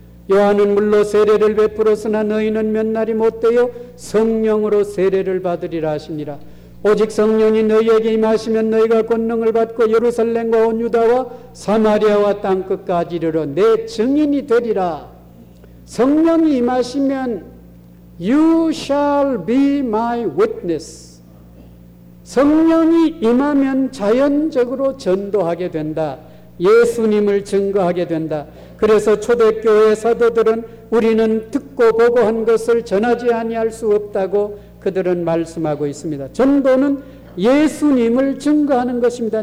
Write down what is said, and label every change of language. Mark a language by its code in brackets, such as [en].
[ko] 요한은 물로 세례를 베풀었으나 너희는 몇 날이 못되어 성령으로 세례를 받으리라 하시니라. 오직 성령이 너희에게 임하시면 너희가 권능을 받고 예루살렘과 온 유다와 사마리아와 땅끝까지 이르러 내 증인이 되리라. 성령이 임하시면 [en] You shall be my witness. [ko] 성령이 임하면 자연적으로 전도하게 된다. 예수님을 증거하게 된다. 그래서 초대교회 사도들은 우리는 듣고 보고 한 것을 전하지 아니할 수 없다고 그들은 말씀하고 있습니다. 전도는 예수님을 증거하는 것입니다.